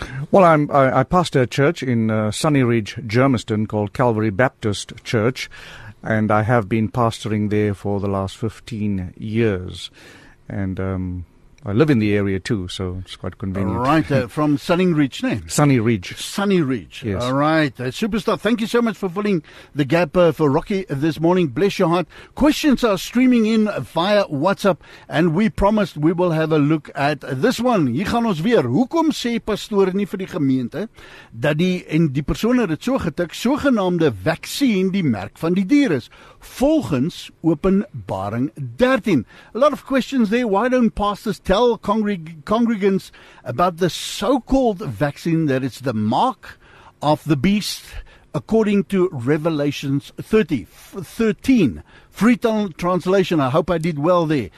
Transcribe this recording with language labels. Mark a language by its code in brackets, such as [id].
[en] Well, I pastor a church in Sunny Ridge, Germiston, called Calvary Baptist Church, and I have been pastoring there for the last 15 years, and I live in the area too, so it's quite convenient. All right, from Sunny Ridge, name? Sunny Ridge. Sunny Ridge. Yes. All right, superstar. Thank you so much for filling the gap for Rocky this morning. Bless your heart. Questions are streaming in via WhatsApp, and we promised we will have a look at this one. [af] Hier gaan ons weer. Hoekom sê pastoor nie vir die gemeente dat die en die persone het so getik, sogenaamde vaccine die merk van die dier is? Volgens Openbaring 13. [en] A lot of questions there. Why don't pastors tell congregants about the so-called vaccine that is the mark of the beast according to Revelations 13? Free translation. I hope I did well there.